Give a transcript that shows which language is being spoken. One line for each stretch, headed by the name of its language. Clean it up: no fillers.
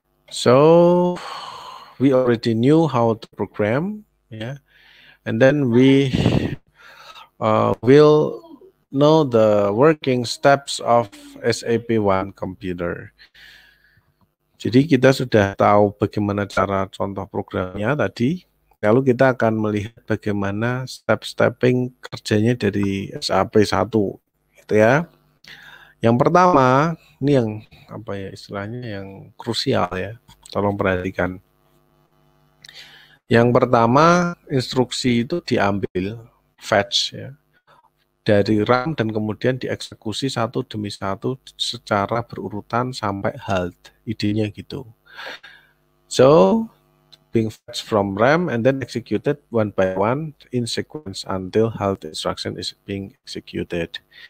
English: So we already knew how to program, yeah, and then we will know the working steps of SAP One Computer.
Indonesian: Jadi kita sudah tahu bagaimana cara contoh programnya tadi. Lalu kita akan melihat bagaimana step-stepping kerjanya dari SAP 1, gitu ya. Yang pertama, ini yang apa ya istilahnya yang krusial ya. Tolong perhatikan. Yang pertama, instruksi itu diambil fetch ya dari RAM dan kemudian dieksekusi satu demi satu secara berurutan sampai halt. Idenya gitu.
English: So, being fetched from RAM and then executed one by one in sequence until halt instruction is being executed.